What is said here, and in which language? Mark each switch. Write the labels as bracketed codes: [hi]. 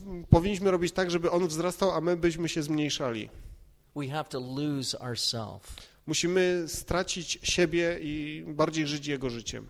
[pl] Powinniśmy robić tak, żeby On wzrastał, a my byśmy się zmniejszali. [en] We have to lose ourselves. [pl] Musimy stracić siebie i bardziej żyć Jego życiem.